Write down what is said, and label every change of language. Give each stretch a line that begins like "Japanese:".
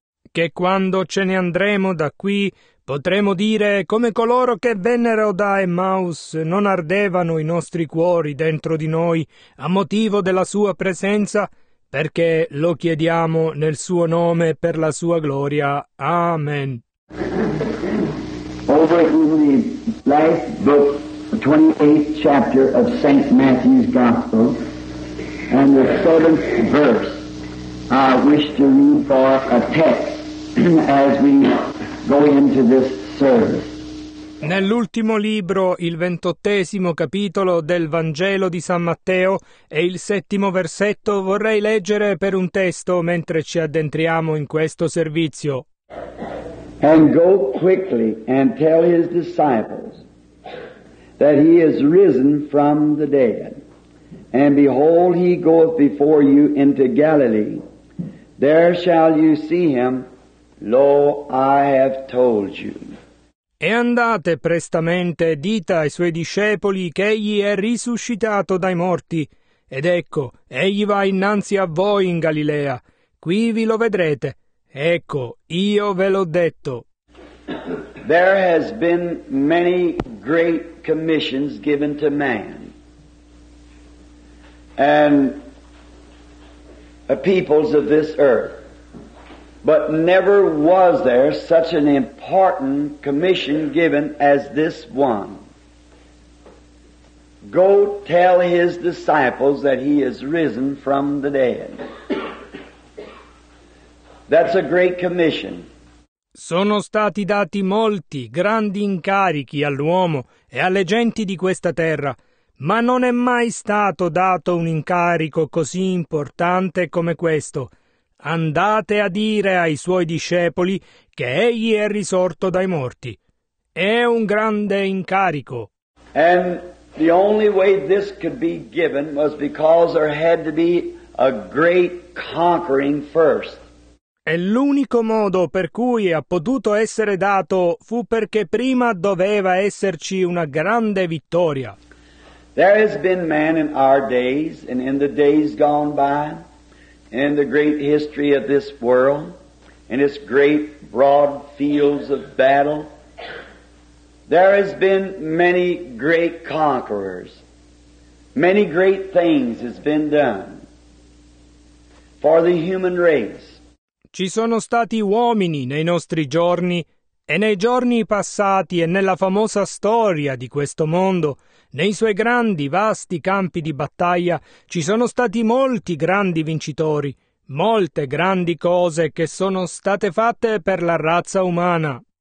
Italian: Che quando ce ne andremo da qui potremo dire come coloro che vennero da Emmaus, non ardevano i nostri cuori dentro di noi a motivo della sua presenza, perché lo chiediamo nel suo nome per la sua gloria. Amen.
English: Over in the last book, 28th chapter of St. Matthew's Gospel, and the 7th verse, I wish to read for a text as we go into this service.
Italian: Nell'ultimo libro, il 28esimo capitolo del Vangelo di San Matteo e il 7° versetto, vorrei leggere per un testo mentre ci addentriamo in questo servizio.
English: And go quickly and tell his disciples that he is risen from the dead, and behold, he goeth before you into Galilee. There shall you see him. Lo, I have told you.
Italian: E andate prestamente, dite ai suoi discepoli che egli è risuscitato dai morti. Ed ecco, egli va innanzi a voi in Galilea. Qui vi lo vedrete. Ecco, io ve l'ho detto.
English: There has been many great commissions given to man. And the peoples of this earth, but never was there such an important commission given as this one. Go tell his disciples that he is risen from the dead. That's a great commission.
Italian: Sono stati dati molti grandi incarichi all'uomo e alle genti di questa terra. Ma non è mai stato dato un incarico così importante come questo. Andate a dire ai suoi discepoli che egli è risorto dai morti. È un grande incarico.
English: And the only way this could be given was because there had to be a great conquering first.
Italian: E l'unico modo per cui ha potuto essere dato fu perché prima doveva esserci una grande vittoria.
English: There has been man in our days and in the days gone by, in the great history of this world, in its great broad fields of battle, there has been many great conquerors. Many great things has been done for the human race.
Italian: Ci sono stati uomini nei nostri giorni e nei giorni passati e nella famosa storia di questo mondo, nei suoi grandi, vasti campi di battaglia, ci sono stati molti grandi vincitori, molte grandi cose che sono state fatte per la razza umana.